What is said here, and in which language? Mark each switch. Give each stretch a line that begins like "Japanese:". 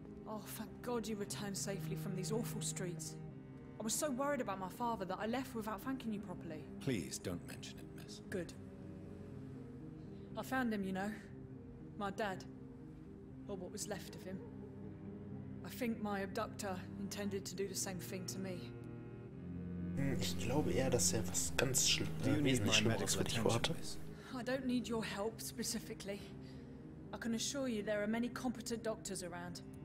English: Oh, thank God you returned safely from these awful streets. I was so worried about my father that I left without thanking you properly. Please don't mention it, miss. Good. I found him, you know. My dad. Or what was left of him. I think my abductor intended to do the same thing to me.
German: Ich glaube eher, dass er was ganz wesentlich Schlimmeres für dich vorhatte.
English: I don't need your help specifically. I can assure you there are many competent doctors around.